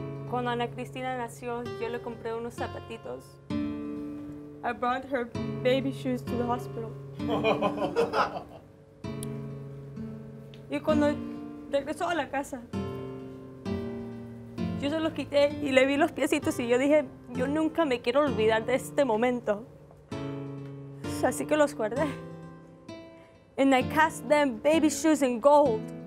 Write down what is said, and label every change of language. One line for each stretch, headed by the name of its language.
Spanish: Cuando Ana Cristina nació, yo le compré unos zapatitos.
English: I brought her baby shoes to the hospital.
Spanish: Y cuando regresó a la casa, yo se los quité y le vi los piecitos y yo dije, yo nunca me quiero olvidar de este momento. Así que los guardé.
English: And I cast them baby shoes in gold.